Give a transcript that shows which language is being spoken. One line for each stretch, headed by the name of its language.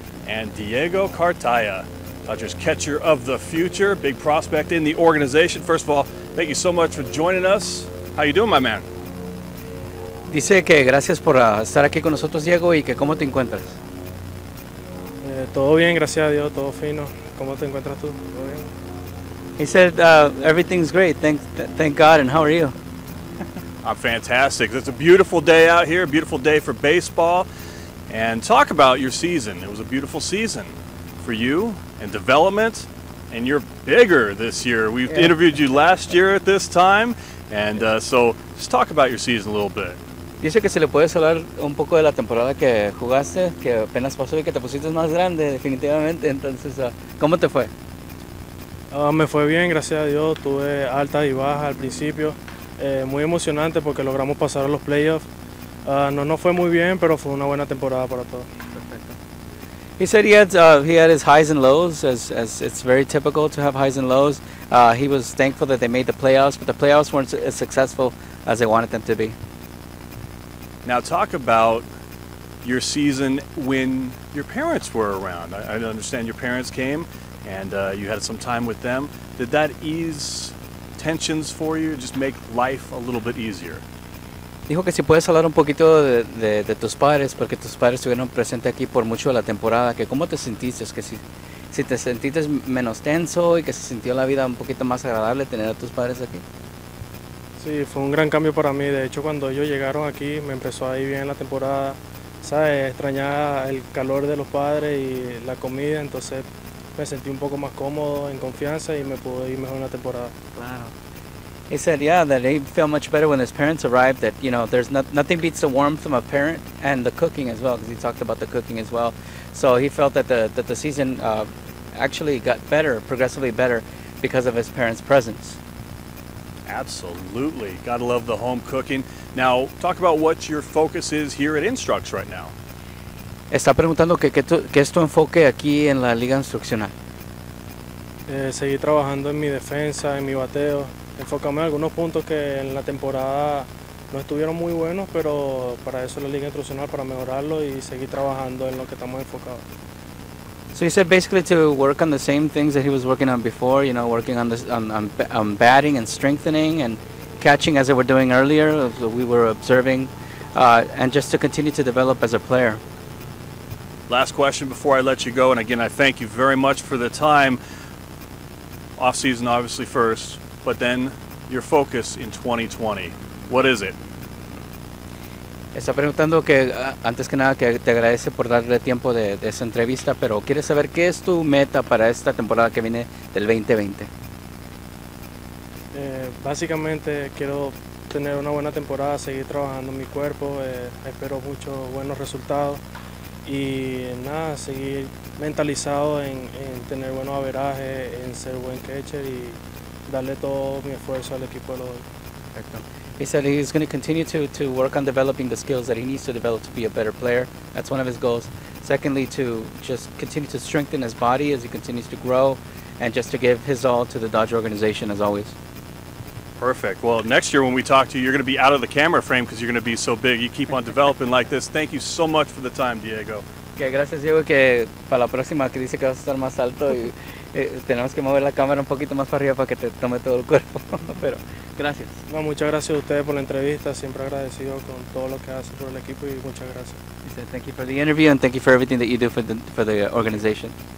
English: And Diego Cartaya, Dodgers catcher of the future, big prospect in the organization. First of all, thank you so much for joining us. How you doing, my man?
Spanish: Dice que gracias por estar aquí con nosotros, Diego, y que cómo te encuentras. Todo bien, gracias a Dios, todo fino. ¿Cómo te encuentras tú? Todo bien.
English: He said, everything's great, thank God, and how are you? I'm fantastic. It's a beautiful day out here, a beautiful day for baseball. And talk about your season. It was a beautiful season for you and development, and you're bigger this year. We've interviewed you last year at this time, and so just talk about your season a little bit.
Spanish: Dice que si le puedes hablar un poco de la temporada que jugaste, que apenas pasó y que te pusiste más grande, definitivamente. Entonces, ¿cómo te fue? Me fue bien, gracias a Dios. Tuve altas y bajas al principio. Muy emocionante porque logramos pasar a los playoffs. No fue muy bien, pero fue una buena temporada para todos.
English: He said he had his highs and lows, as it's very typical to have highs and lows. He was thankful that they made the playoffs, but the playoffs weren't as successful as they wanted them to be. Now talk about your season when your parents were around. I understand your parents came and you had some time with them. Did that ease tensions for you, just make life a little bit easier?
Spanish: Dijo que si puedes hablar un poquito de tus padres, porque tus padres estuvieron presentes aquí por mucho de la temporada, que cómo te sentiste, que si te sentiste menos tenso y que se sintió la vida un poquito más agradable tener a tus padres aquí. Sí, fue un gran cambio para mí. De hecho, cuando ellos llegaron aquí, me empezó a ir bien la temporada. ¿Sabes? Extrañaba el calor de los padres y la comida, entonces me sentí un poco más cómodo, en confianza, y me pude ir mejor en la temporada. Claro.
English: He said, yeah, that he felt much better when his parents arrived, that, you know, there's nothing beats the warmth from a parent and the cooking as well, because he talked about the cooking as well. So he felt that the season actually got better, progressively better, because of his parents' presence. Absolutely. Gotta love the home cooking. Now, talk about what your focus is here at Instructs right now.
Spanish: Está preguntando qué es tu enfoque aquí en la Liga Instruccional. Seguir trabajando en mi defensa, en mi bateo. Enfocarme en algunos puntos que en la temporada no estuvieron muy buenos, pero para eso la Liga Instruccional, para mejorarlo y seguir trabajando en lo que estamos enfocados.
English: So he said basically to work on the same things that he was working on before, you know, working on this, on batting and strengthening and catching as they were doing earlier, as we were observing, and just to continue to develop as a player. Last question before I let you go, and again, I thank you very much for the time. Off season, obviously, first, but then your focus in 2020. What is it?
Spanish: Está preguntando que, antes que nada, que te agradece por darle tiempo de esa entrevista, pero quiere saber qué es tu meta para esta temporada que viene del 2020. Básicamente, quiero tener una buena temporada, seguir trabajando en mi cuerpo, espero muchos buenos resultados, y nada, seguir mentalizado en tener buenos averajes, en ser buen catcher, y darle todo mi esfuerzo al equipo de los dos.
English: Perfecto. He said he's going to continue to work on developing the skills that he needs to develop to be a better player. That's one of his goals. Secondly, to just continue to strengthen his body as he continues to grow, and just to give his all to the Dodger organization as always. Perfect. Well, next year when we talk to you, you're going to be out of the camera frame because you're going to be so big. You keep on developing like this. Thank you so much for the time, Diego.
Spanish: Okay, gracias, Diego, que para la próxima que dice que vas a estar más alto y tenemos que mover la cámara un poquito más para arriba para que te tome todo el cuerpo, pero... Gracias. No, muchas gracias a ustedes por la entrevista. Siempre agradecido con todo lo que hacen por el equipo y muchas gracias.
English: He said, thank you for the interview and thank you for everything that you do for the organization.